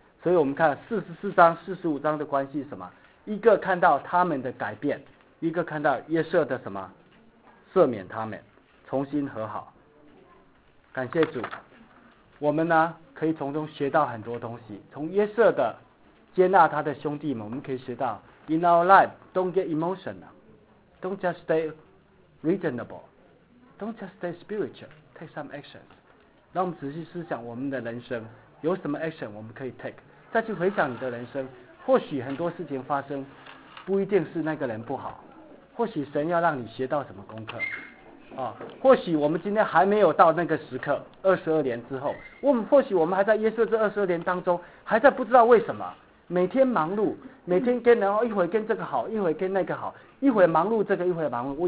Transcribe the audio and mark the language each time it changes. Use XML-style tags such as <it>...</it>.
<zh>所以我们看44章、45章的关系是什么？一个看到他们的改变，一个看到约瑟的什么？赦免他们。重新和好，感谢主。我们呢可以从中学到很多东西，从约瑟的接纳他的兄弟们，我们可以学到</zh> <en>in our life don't get emotional, don't just stay reasonable, don't just stay spiritual, take some actions.</en> <zh>让我们仔细思想我们的人生有什么 action 我们可以 take, 再去回想你的人生，或许很多事情发生不一定是那个人不好，或许神要让你学到什么功课啊，或许我们今天还没有到那个时刻，二十二年之后，我们或许我们还在耶稣这二十二年当中，还在不知道为什么每天忙碌，每天跟人一会跟这个好，一会跟那个好，一会忙碌这个，一会忙碌。</zh>